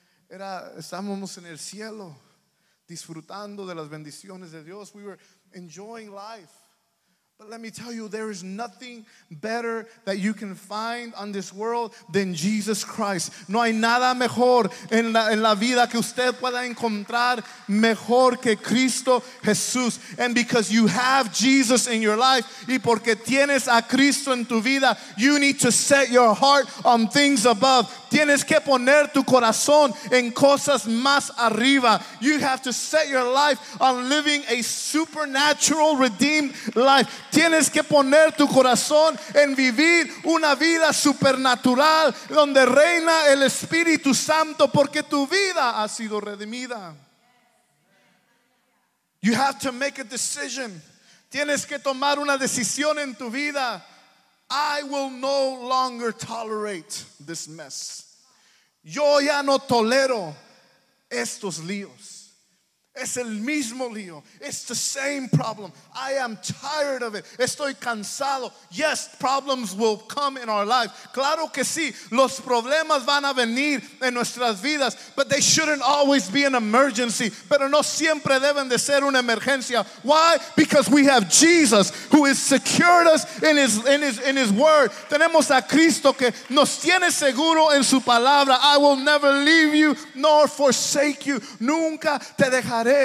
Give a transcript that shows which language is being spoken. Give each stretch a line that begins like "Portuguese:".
Spanish: Estábamos en el cielo, disfrutando de las bendiciones de Dios.
English: We were enjoying life. But let me tell you, there is nothing better that you can find on this world than Jesus Christ.
Spanish: No hay nada mejor en la vida que usted pueda encontrar mejor que Cristo Jesús.
English: And because you have Jesus in your life,
Spanish: y porque tienes a Cristo en tu vida,
English: you need to set your heart on things above.
Spanish: Tienes que poner tu corazón en cosas más arriba.
English: You have to set your life on living a supernatural, redeemed life.
Spanish: Tienes que poner tu corazón en vivir una vida supernatural donde reina el Espíritu Santo porque tu vida ha sido redimida.
English: You have to make a decision.
Spanish: Tienes que tomar una decisión en tu vida.
English: I will no longer tolerate this mess.
Spanish: Yo ya no tolero estos líos. Es el mismo lío.
English: It's the same problem. I am tired of it.
Spanish: Estoy cansado.
English: Yes, problems will come in our life.
Spanish: Claro que sí. Los problemas van a venir en nuestras vidas.
English: But they shouldn't always be an emergency.
Spanish: Pero no siempre deben de ser una emergencia.
English: Why? Because we have Jesus who has secured us in his word.
Spanish: Tenemos a Cristo que nos tiene seguro en su palabra.
English: I will never leave you nor forsake you.
Spanish: Nunca te dejaré.